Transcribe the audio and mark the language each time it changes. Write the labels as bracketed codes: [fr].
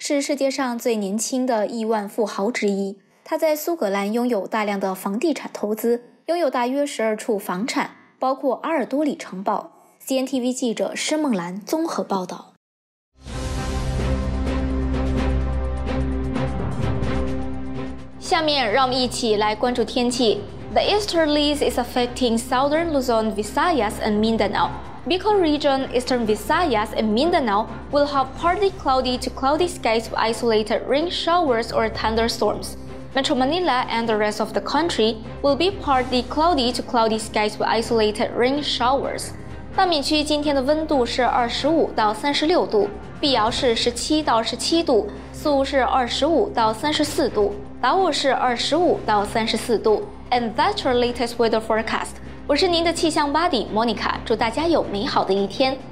[zh] 是世界上最年轻的亿万富豪之一。他在苏格兰拥有大量的房地产投资，拥有大约12处房产，包括阿尔多里城堡。 CNTV 记者申梦兰综合报道。下面让我们一起来关注天气。 [en] The Easterlies is affecting southern Luzon, Visayas and Mindanao. Bicol region, eastern Visayas and Mindanao will have partly cloudy to cloudy skies with isolated rain showers or thunderstorms. Metro Manila and the rest of the country will be partly cloudy to cloudy skies with isolated rain showers. [zh] 大闽区今天的温度是25到36度，碧瑶是17到17度，宿雾是25到34度，达悟是25到34度。 [en] And that's your latest weather forecast. [zh] 我是您的气象 buddy Monica， 祝大家有美好的一天。